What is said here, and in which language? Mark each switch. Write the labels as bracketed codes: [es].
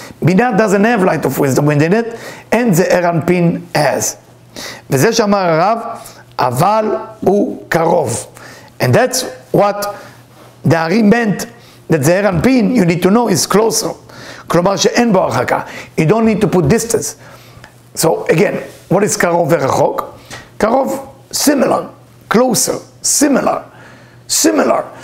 [en] Bina doesn't have light of wisdom within it, and Ze'er Anpin has. [he] וזה שאמר הרב, אבל הוא קרוב. [en] And that's what the Ari meant, that Ze'er Anpin, you need to know, is closer. [he] כלומר שאין בו הרחקה. [en] You don't need to put distance. So again, what is Karov ve'rachok? Karov, similar, closer, similar, similar.